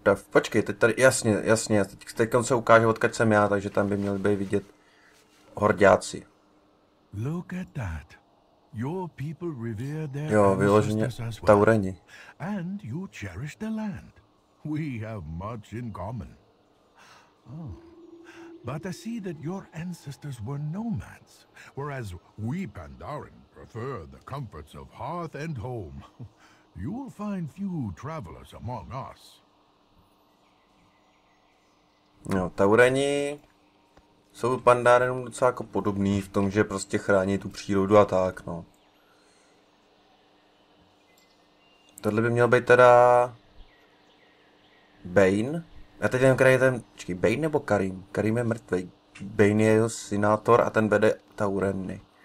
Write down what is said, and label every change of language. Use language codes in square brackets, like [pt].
[cs] Počkej, teď tady, jasně, teď se ukáže, odkud jsem já, takže tam by měli být vidět horďáci. [en] Look at that. Your people revere their [cs] jo, vyloženě Taureni. [en] And you cherish the land. We have much in common. Oh. But I see that your ancestors were nomads, whereas we Pandaren prefer the comforts of hearth and home. You will find few travelers among us. [cs] No, Taureni jsou Pandarenům docela jako podobný v tom, že prostě chrání tu přírodu a tak, no. Tohle by měl být teda Bane. Já teď nevím, který je ten, čekaj, Bane nebo Karim? Karim je mrtvej. Bane je jeho synátor a ten vede Taureny.